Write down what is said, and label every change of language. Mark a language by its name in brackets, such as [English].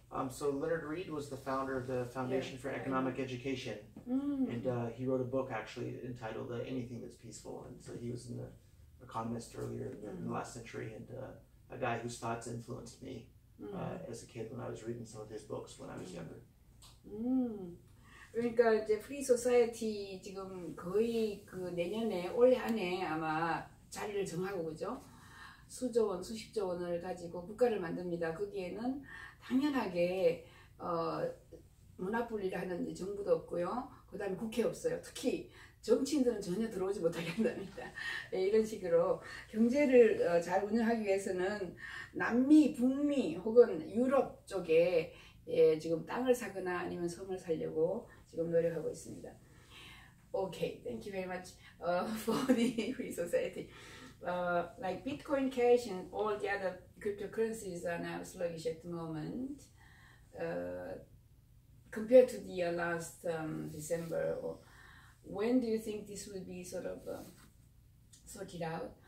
[English] So Leonard Reed was the founder of the Foundation for Economic Education, and he wrote a book actually entitled Anything That's Peaceful, and so he was an economist earlier in the last century, and a guy whose thoughts influenced me as a kid when I was reading some of his books when I was younger. Mm. [Korean] 그러니까 이제 프리 소사이어티 지금 거의 그 내년에 올해 안에 아마 자리를 정하고 그죠? 수조 원, 수십조 원을 가지고 국가를 만듭니다. 거기에는 당연하게 문화분리를 하는 정부도 없고요. 그 다음에 국회 없어요. 특히 정치인들은 전혀 들어오지 못하게 한답니다. 네, 이런 식으로 경제를 잘 운영하기 위해서는 남미, 북미 혹은 유럽 쪽에 예, 지금 땅을 사거나 아니면 섬을 살려고 지금 노력하고 있습니다. [English] Okay, thank you very much for the free society. Like Bitcoin Cash and all the other cryptocurrencies are now sluggish at the moment. Compared to the last December, when do you think this will be sort of sorted out?